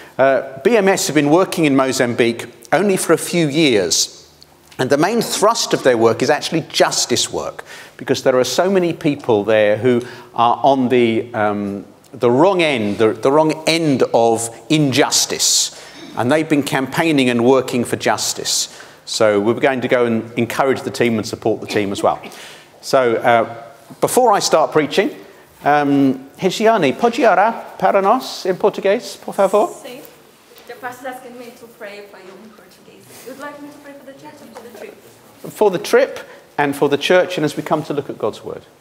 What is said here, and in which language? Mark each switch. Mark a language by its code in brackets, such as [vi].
[en] BMS have been working in Mozambique only for a few years, and the main thrust of their work is actually justice work, because there are so many people there who are on the wrong end of injustice, and they've been campaigning and working for justice. So we're going to go and encourage the team and support the team as well. So before I start preaching, Hejiani, [pt] pode orar para nós [en] in Portuguese, [pt] por favor? Sim. [en] The pastor's asking me to pray for you in Portuguese. You'd like me to pray for the church and for the trip? For the trip and for the church, and as we come to look at God's word.